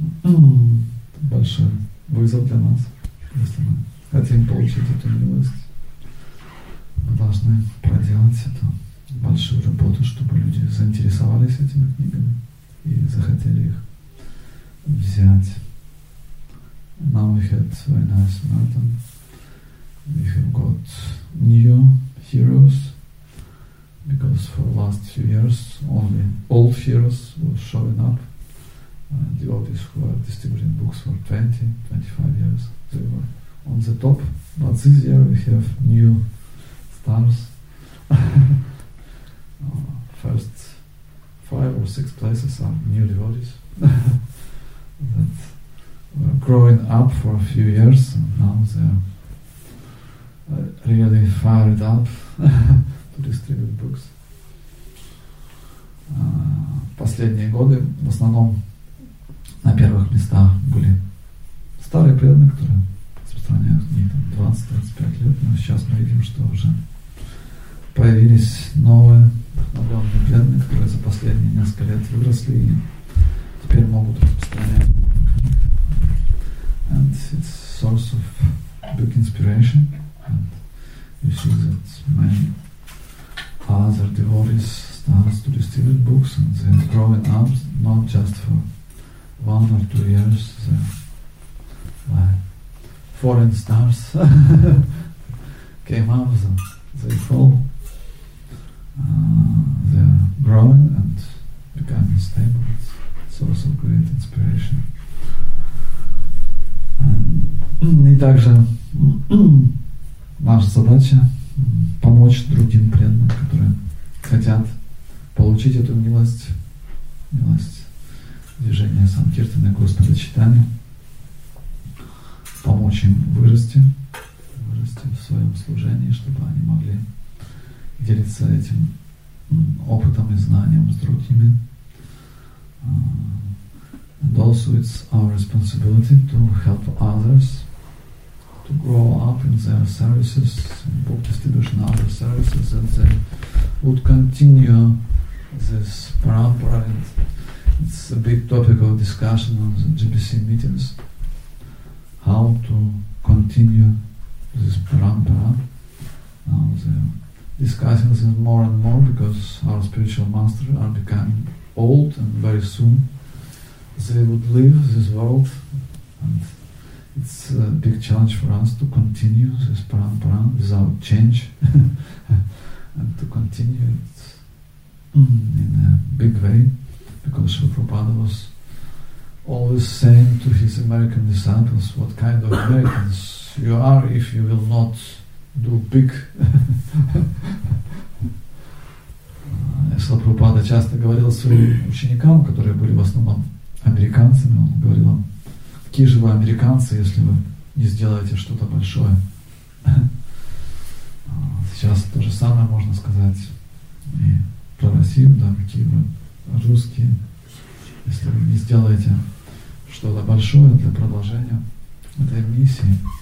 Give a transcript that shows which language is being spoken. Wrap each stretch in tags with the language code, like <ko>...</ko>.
<ru>Это большой вызов для нас. Если мы хотим получить эту милость, мы должны проделать эту большую работу, чтобы люди заинтересовались этими книгами и захотели их взять.</ru> <en>Now we had very nice mountain. We have got new heroes because for the last few years only old heroes were showing up. Devotees who are distributing books for 20, 25 years, they were on the top. But this year we have new stars. First 5 or 6 places are new devotees. That growing up for a few years, and now they're really fired up to distribute books.</en> <ru>Последние годы в основном на первых местах были старые преданные, которые распространяют не там 20-25 лет, но сейчас мы видим, что уже появились новые вдохновленные преданные, которые за последние несколько лет выросли и теперь могут распространять.</ru> <en>And it's source of big inspiration. And you see that many other devotees start to distribute books and they're growing up, not just for 1 or 2 years, they're like foreign stars came up, and they fall. They're growing and becoming stable. It's source of great inspiration.</en> <ru>И также наша задача помочь другим преданным, которые хотят получить эту милость движения Санкиртаны, Господа Читания, помочь им вырасти в мудрости в своем служении, чтобы они могли делиться этим опытом и знанием с другими.</ru> <en>And also it's our responsibility to help others to grow up in their services, in book distribution, other services, and they would continue this parampara. It's a big topic of discussion on the GBC meetings, how to continue this parampara. Now they're discussing this more and more because our spiritual masters are becoming old, and very soon they would leave this world, and it's a big challenge for us to continue this parampara without change and to continue it in a big way, because Srila Prabhupada was always saying to his American disciples, what kind of Americans you are if you will not do big.</en> <ru>Srila Prabhupada часто говорил своим ученикам, которые были в основном американцами, он говорил им, какие же вы американцы, если вы не сделаете что-то большое. Сейчас то же самое можно сказать и про Россию, да, какие вы русские, если вы не сделаете что-то большое для продолжения этой миссии.</ru>